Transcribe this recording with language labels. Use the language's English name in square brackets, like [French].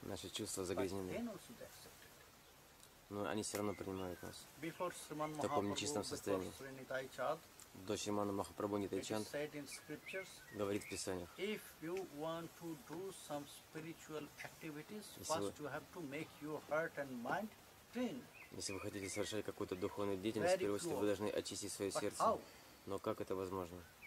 [Russian] Наши чувства загрязнены. Но они все равно принимают нас. [English] Before Sriman [Russian] в таком нечистом состоянии. До Шримана Махапрабху Нитай Чанд говорит в Писаниях, [English] if you want to do some spiritual activities, first you have to make your heart and mind clean. [Russian] Если вы хотите совершать какую-то духовную деятельность, в первую очередь вы должны очистить свое сердце. Но как это возможно?